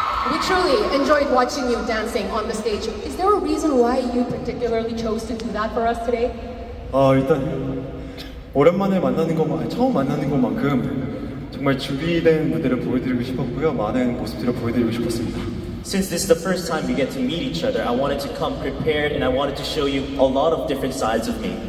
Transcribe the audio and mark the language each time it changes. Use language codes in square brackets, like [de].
[en] We truly enjoyed watching you dancing on the stage. Is there a reason why you particularly chose to do that for us today? [ko] 일단 오랜만에 만나는 것만 처음 만나는 것만큼 정말 준비된 무대를 보여드리고 싶었고요. 많은 모습들을 보여드리고 싶었습니다. [en] Since this is the first time we get to meet each other, I wanted to come prepared and I wanted to show you a lot of different sides of me.